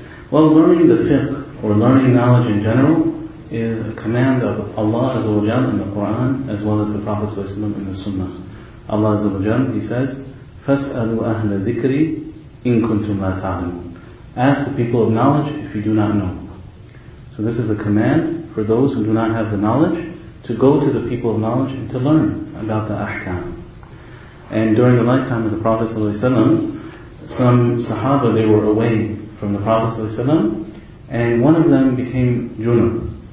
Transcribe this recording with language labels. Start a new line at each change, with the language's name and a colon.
English: Well, learning the fiqh, or learning knowledge in general, is a command of Allah Azza wa Jalla in the Quran, as well as the Prophet Sallallahu Alaihi Wasallam in the Sunnah. Allah Azza wa Jalla, he says,
Arabic: فَاسْأَلُوا أَهْلَ ذِكْرِ إِن كُنْتُمْ لَا تَعْلَمُونَ.
English: Ask the people of knowledge if you do not know. So this is a command for those who do not have the knowledge to go to the people of knowledge and to learn about the ahkam. And during the lifetime of the Prophet Sallallahu Alaihi Wasallam, some Sahaba, they were away from the Prophet Sallallahu Alaihi Wasallam, and one of them became Junub.